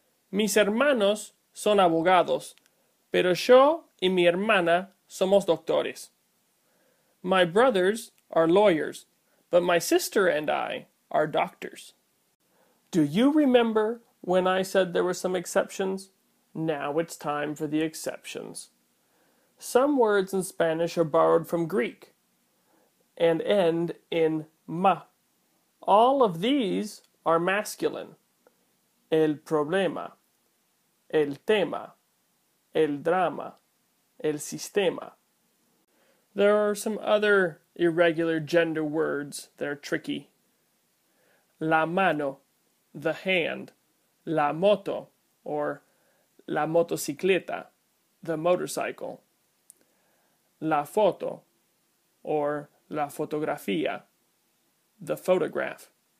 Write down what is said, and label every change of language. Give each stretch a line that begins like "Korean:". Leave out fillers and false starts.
Spanish: Mis hermanos son abogados, pero yo y mi hermana somos doctores.
English: My brothers are lawyers, but my sister and I are doctors. Do you remember when I said there were some exceptions? Now it's time for the exceptions. Some words in Spanish are borrowed from Greek and end in ma. All of these are masculine.
Spanish: El problema, el tema, el drama, el sistema.
English: There are some other irregular gender words that are tricky.
Spanish: La mano,
English: the hand,
Spanish: la moto, or la motocicleta,
English: the motorcycle.
Spanish: La foto, or la fotografía,
English: the photograph.